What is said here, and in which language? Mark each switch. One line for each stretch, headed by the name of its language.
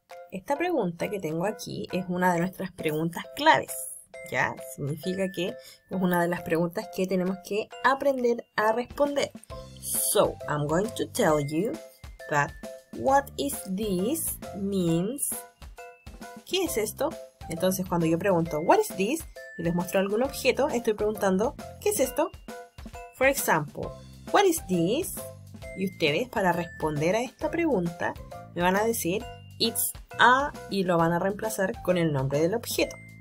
Spanish: Esta pregunta que tengo aquí es una de nuestras preguntas claves. Ya, significa que es una de las preguntas que tenemos que aprender a responder.
English: So, I'm going to tell you that what is this means...
Spanish: ¿Qué es esto? Entonces, cuando yo pregunto,
English: what is this?
Spanish: Y les muestro algún objeto, estoy preguntando, ¿qué es esto?
English: For example, what is this?
Spanish: Y ustedes, para responder a esta pregunta, me van a decir
English: it's a
Spanish: y lo van a reemplazar con el nombre del objeto.